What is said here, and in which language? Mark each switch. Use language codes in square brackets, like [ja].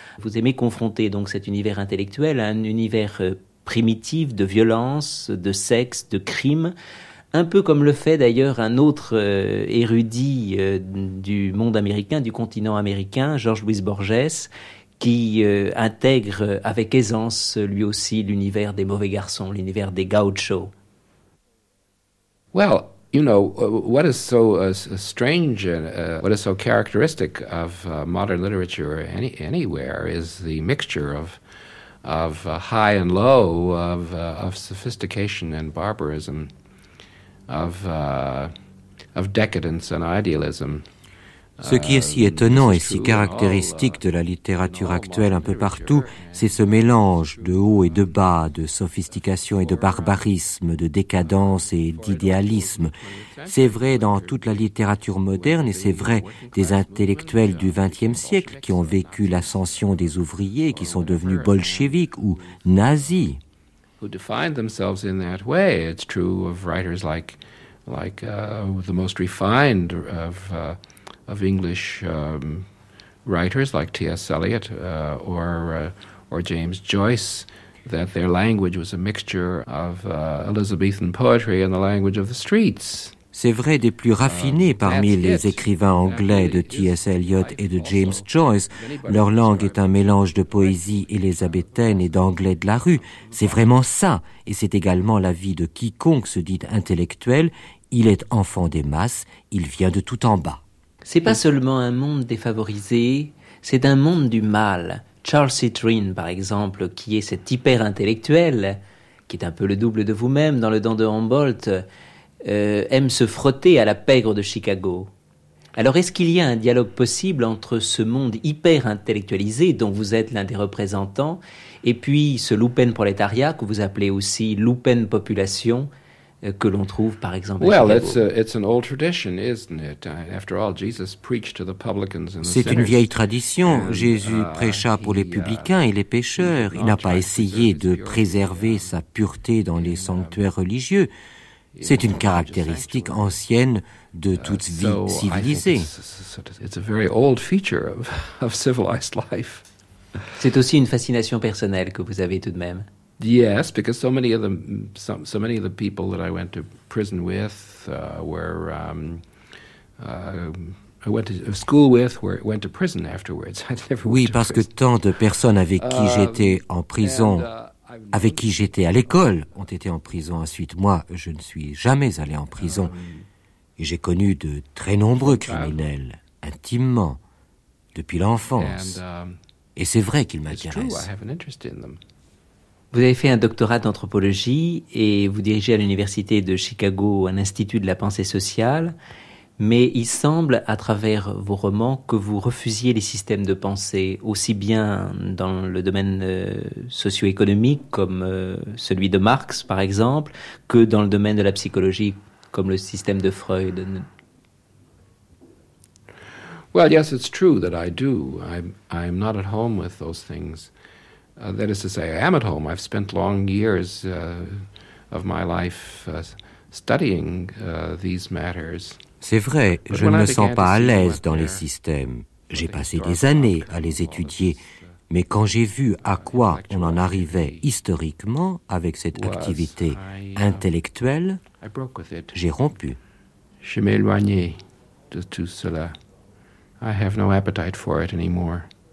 [fr] Vous aimez confronter donc cet univers intellectuel à un univers primitif de violence, de sexe, de crime, un peu comme le fait d'ailleurs un autre érudit du monde américain, du continent américain, George Luis Borges, qui intègre avec aisance, lui aussi, l'univers des mauvais garçons, l'univers des gauchos. [en] Well, you know, what is so strange, what is so characteristic of modern literature anywhere is the mixture of high and low, of sophistication and barbarism, of decadence and idealism. [fr] Ce qui est si étonnant et si caractéristique de la littérature actuelle un peu partout, c'est ce mélange de haut et de bas, de sophistication et de barbarisme, de décadence et d'idéalisme. C'est vrai dans toute la littérature moderne et c'est vrai des intellectuels du XXe siècle qui ont vécu l'ascension des ouvriers et qui sont devenus bolcheviques ou nazis. [en] Who defined themselves in that way. It's true of writers like the most refined of English writers like T.S. Eliot or or James Joyce, that their language was a mixture of Elizabethan poetry and the language of the streets. [fr] C'est vrai des plus raffinés parmi les écrivains anglais de T.S. Eliot et de James Joyce. Leur langue est un mélange de poésie élisabéthaine et d'anglais de la rue. C'est vraiment ça, et c'est également la vie de quiconque se dit intellectuel. Il est enfant des masses, il vient de tout en bas. C'est pas seulement un monde défavorisé, c'est un monde du mal. Charles Citrine, par exemple, qui est cet hyper-intellectuel, qui est un peu le double de vous-même dans le Don de Humboldt, aime se frotter à la pègre de Chicago. Alors, est-ce qu'il y a un dialogue possible entre ce monde hyper-intellectualisé dont vous êtes l'un des représentants et puis ce lupin prolétariat que vous appelez aussi lupin population que l'on trouve, par exemple, à [en] Well, [fr] Chicago? [en] It's an old tradition, isn't it? After all, Jesus preached to the publicans and the sinners. [fr] C'est une vieille tradition. Jésus prêcha pour les publicains et les pécheurs. Il n'a pas essayé de préserver sa pureté dans les sanctuaires religieux. C'est une caractéristique ancienne de toute vie civilisée. [en] It's a very old feature of civilized life. [fr] C'est aussi une fascination personnelle que vous avez tout de même. [en] Yes, because so many of the people that I went to prison with were I went to school with where it went to prison afterwards. [fr] Oui, parce que tant de personnes avec qui j'étais en prison avec qui j'étais à l'école, ont été en prison ensuite. Moi, je ne suis jamais allé en prison. Et j'ai connu de très nombreux criminels, intimement, depuis l'enfance. Et c'est vrai qu'ils m'intéressent. Vous avez fait un doctorat d'anthropologie et vous dirigez à l'Université de Chicago un institut de la pensée sociale. Mais il semble, à travers vos romans, que vous refusiez les systèmes de pensée, aussi bien dans le domaine socio-économique, comme celui de Marx, par exemple, que dans le domaine de la psychologie, comme le système de Freud. [en] Well, yes, it's true that I do. I'm not at home with those things. That is to say, I am at home. I've spent long years of my life studying these matters. [fr] C'est vrai, je ne me sens pas à l'aise dans les systèmes. J'ai passé des années à les étudier, mais quand j'ai vu à quoi on en arrivait historiquement avec cette activité intellectuelle, j'ai rompu. Je m'éloigne de tout cela. [en] I have no appetite for it anymore.